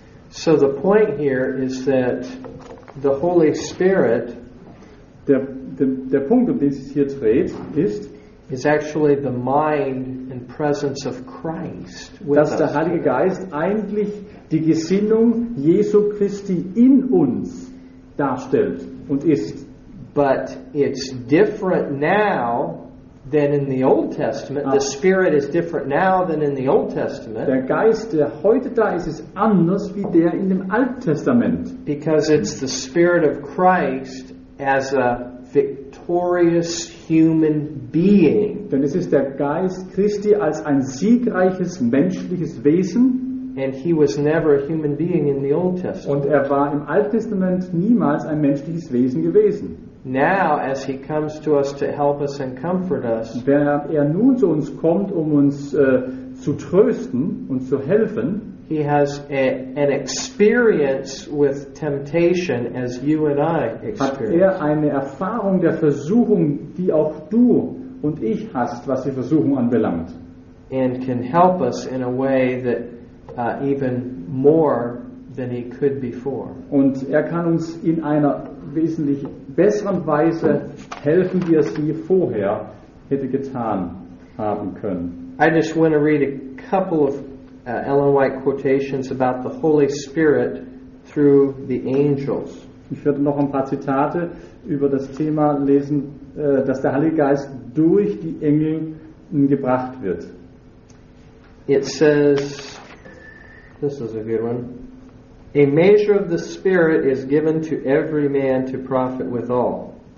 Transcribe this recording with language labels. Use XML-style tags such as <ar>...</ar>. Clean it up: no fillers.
<en>So the point here is that the Holy Spirit,</en> <de>der Punkt, um den es hier dreht,</de> <en>is actually the mind and presence of Christ with us.</en> <de>Dass der Heilige Geist eigentlich die Gesinnung Jesu Christi in uns darstellt und ist.</de> <en>But it's different now than in the Old Testament. The Spirit is different now than in the Old Testament.</en> <de>Der Geist, der heute da ist, ist anders wie der in dem Alten Testament.</de> <en>Because it's the Spirit of Christ as a victorious human being.</en> <de>Denn es ist der Geist Christi als ein siegreiches menschliches Wesen.</de> <en>And he was never a human being in the Old Testament.</en> <de>Und er war im Alten Testament niemals ein menschliches Wesen gewesen.</de> <en>Now, as he comes to us to help us and comfort us,</en> <de>wenn er nun zu uns kommt, um uns zu trösten und zu helfen,</de> <en>he has an experience with temptation as you and I experience.</en> <de>Hat er eine Erfahrung der Versuchung, die auch du und ich hast, was die Versuchung anbelangt,</de> <en>and can help us in a way that even more than he could before.</en> <de>Und er kann uns in einer wesentlich besseren Weise helfen, wie er es je vorher hätte getan haben können.</de> <en>I just want to read a couple of Ellen White quotations about the Holy Spirit through the angels.</en> <de>Ich werde noch ein paar Zitate über das Thema lesen, dass der Heilige Geist durch die Engel gebracht wird.</de> <en>It says, this is a good one. A measure of the Spirit is given to every man to profit withal.</en>